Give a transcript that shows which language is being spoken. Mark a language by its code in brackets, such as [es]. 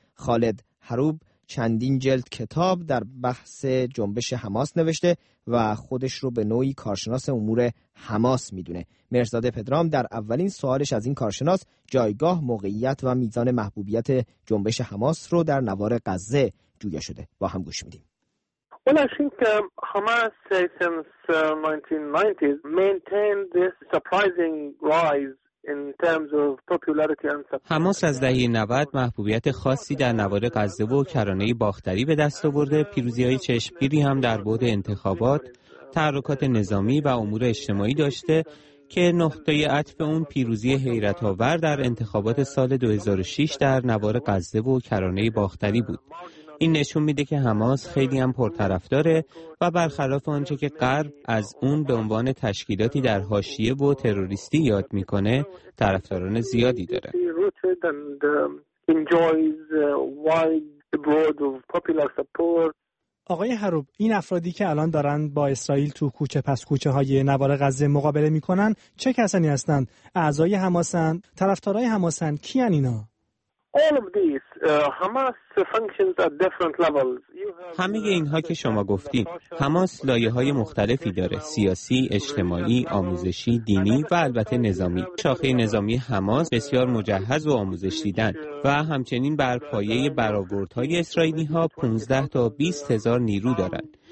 [fa] خالد حروب چندین جلد کتاب در بحث جنبش حماس نوشته و خودش رو به نوعی کارشناس امور حماس میدونه. مرزاد پدرام در اولین سوالش از این کارشناس جایگاه، موقعیت و میزان محبوبیت جنبش حماس رو در نوار غزه جویا شده. با هم گوش میدیم. [en] Well, I think Hamas since 1990s maintained this surprising rise. [fa] حماس از دهه 90 محبوبیت خاصی در نوار غزه و کرانه باختری به دست آورده. پیروزی‌های چشمگیری هم در بعد انتخابات، تحرکات نظامی و امور اجتماعی داشته که نقطه عطف اون پیروزی حیرت‌آور در انتخابات سال 2006 در نوار غزه و کرانه باختری بود. این نشون میده که حماس خیلی هم پرطرفداره و برخلاف آنچه که غرب از اون به عنوان تشکیلاتی در حاشیه و تروریستی یاد میکنه، طرفداران زیادی داره. آقای حروب، این افرادی که الان دارن با اسرائیل تو کوچه پس کوچه های نوار غزه مقابله میکنن چه کسانی هستند؟ اعضای حماسن؟ طرفدارای حماسن؟ کیان اینا؟ [en] All of these Hamas functions at different levels. [fa] همه اینها که شما گفتین، حماس لایه‌های مختلفی داره: سیاسی، اجتماعی، آموزشی، دینی و البته نظامی. شاخه نظامی حماس بسیار مجهز و آموزش دیدن و همچنین بر پایه برآوردهای اسرائیلی‌ها 15 تا 20 هزار نیرو دارند.